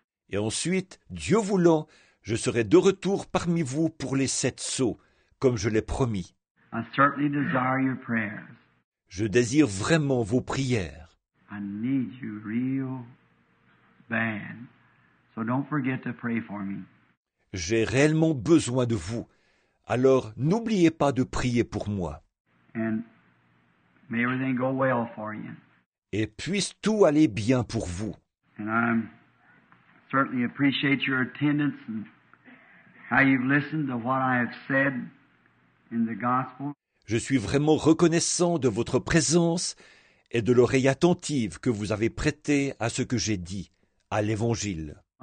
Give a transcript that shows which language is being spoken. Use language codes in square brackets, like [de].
[fr] Et ensuite, Dieu voulant, je serai de retour parmi vous pour les 7 sceaux, comme je l'ai promis. [en] I certainly desire your prayers. [fr] Je désire vraiment vos prières. [en] I need you real bad. So don't forget to pray for me. [fr] j'ai réellement besoin de vous. Alors n'oubliez pas de prier pour moi. [en] And may everything go well for you. [fr] Et puisse tout aller bien pour vous. [en] And I certainly appreciate your attendance and how you've listened to what I have said in the gospel. [fr] Je suis vraiment reconnaissant de votre présence et de l'oreille attentive que vous avez prêtée à ce que j'ai dit, à l'Évangile.